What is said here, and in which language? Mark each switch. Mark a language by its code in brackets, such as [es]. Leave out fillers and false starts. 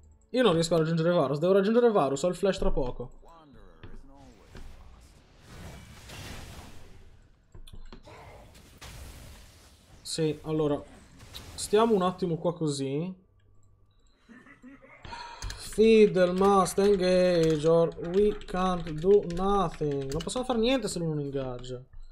[it] Io non riesco a raggiungere Varus. Devo raggiungere Varus, ho il flash tra poco. Sì, allora. Stiamo un attimo qua così. [en] Fiddle must engage or we can't do nothing. [it] Non possiamo fare niente se lui non ingaggia.